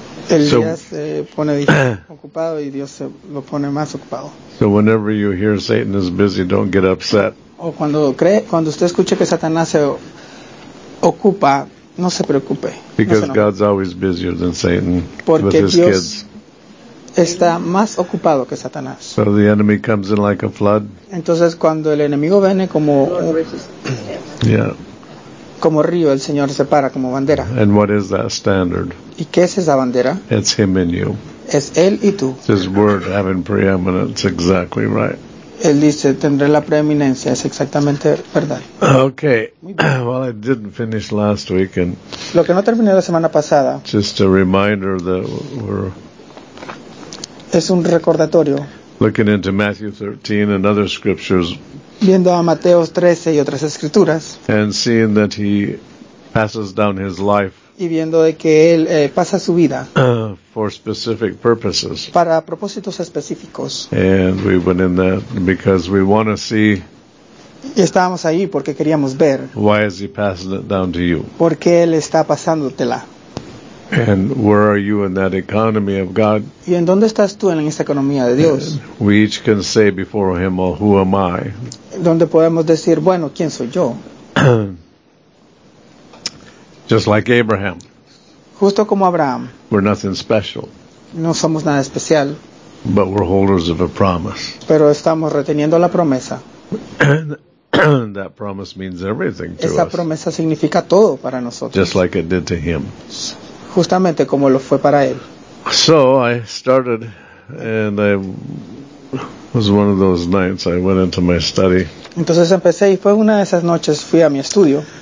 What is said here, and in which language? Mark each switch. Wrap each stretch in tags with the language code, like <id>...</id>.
<es>El día se pone ocupado y Dios se lo pone más ocupado.</es> <en>So whenever you hear Satan is busy, don't get upset.</en> <es>O cuando usted escuche que Satanás se ocupa. No se preocupe.</es> <en>Because</en> <es>no se</es> <en>God's always busier than Satan.</en> <es>Porque</es> <en>with his</en> <es>Dios</es> <en>kids.</en> <es>Está más ocupado que Satanás.</es> <en>So the enemy comes in like a flood.</en> <es>Entonces cuando el enemigo viene como como río, el Señor se para como bandera.</es> <en>And what is that standard?</en> <es>¿Y qué es esa bandera?</es> <en>It's him and you.</en> <es>Es él y tú.</es> <en>His word having preeminence, exactly right.</en> <es>Él dice, tendré la preeminencia. Es exactamente verdad.</es> <en>Okay. Well, I didn't finish last week. And</en> <es>lo que no terminé la semana pasada.</es> <en>Just a reminder that we're</en> <es>es un recordatorio.</es> <en>Looking into Matthew 13 and other scriptures.</en> <es>Viendo a Mateo 13 y otras escrituras.</es> <en>And seeing that he passes down his life.</en> <es>Y viendo de que él pasa su vida</es> <en>for specific purposes.</en> <es>Para propósitos específicos.</es> <en>And we went in that because we want to see.</en> <es>Y estábamos ahí porque queríamos ver.</es> <en>Why is he passing it down to you?</en> <es>¿Por qué él está pasándotela?</es> <en>And where are you in that economy of God?</en> <es>¿Y en dónde estás tú en esta economía de Dios?</es> <en>And we each can say before him, well, who am I?</en> <es>¿Dónde podemos decir, bueno, quién soy yo?</es> <en>Just like Abraham.</en> <es>Justo como Abraham.</es> <en>We're nothing special.</en> <es>No somos nada especial.</es> <en>But we're holders of a promise.</en> <es>Pero estamos reteniendo la promesa.</es> <en>That promise means everything to us.</en> <es>Esa promesa significa todo para nosotros.</es> <en>Just like it did to him.</en> <es>Justamente como lo fue para él.</es> <en>So I started and I was one of those nights I went into my study.</en> <es>Entonces empecé y fue una de esas noches fui a mi estudio.</es>